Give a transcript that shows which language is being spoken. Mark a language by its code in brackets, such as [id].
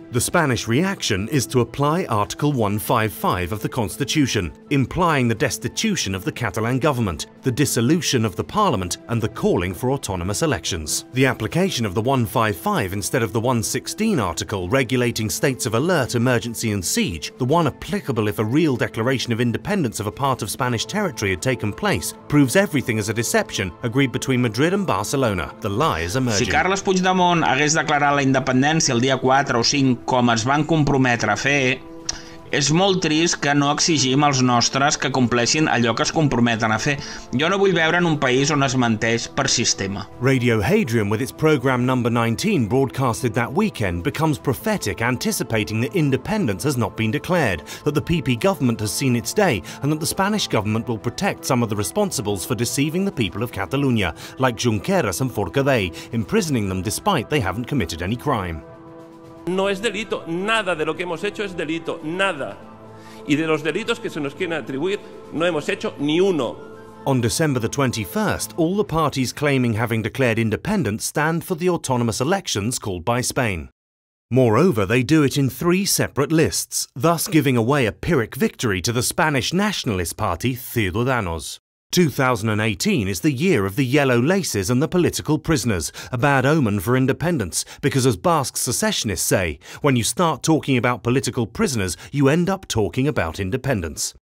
[en] The Spanish reaction is to apply Article 155 of the Constitution, implying the destitution of the Catalan government, the dissolution of the Parliament, and the calling for autonomous elections. The application of the 155 instead of the 116 article regulating states of alert, emergency and siege, the one applicable if a real declaration of independence of a part of Spanish territory had taken place, proves everything as a deception agreed between Madrid and Barcelona. The lie is emerging. [ca] Si Carles Puigdemont hagués declarat la independència el dia 4 o 5 com es van comprometre a fer, és molt trist que no exigim als nostres que compleixin allò que es comprometen a fer. Jo no vull veure en un país on es menteix per sistema. [en] Radio Hadrian, with its program number 19 broadcasted that weekend, becomes prophetic, anticipating that independence has not been declared, that the PP government has seen its day, and that the Spanish government will protect some of the responsibles for deceiving the people of Catalunya, like Junqueras and Forcadell, imprisoning them despite they haven't committed any crime. [es] No es delito, nada de lo que hemos hecho es delito, nada. Y de los delitos que se nos quieren atribuir, no hemos hecho ni uno. [en] On December the 21st, all the parties claiming having declared independence stand for the autonomous elections called by Spain. Moreover, they do it in three separate lists, thus giving away a Pyrrhic victory to the Spanish nationalist party Ciudadanos. 2018 is the year of the yellow laces and the political prisoners, a bad omen for independence, because as Basque secessionists say, when you start talking about political prisoners, you end up talking about independence.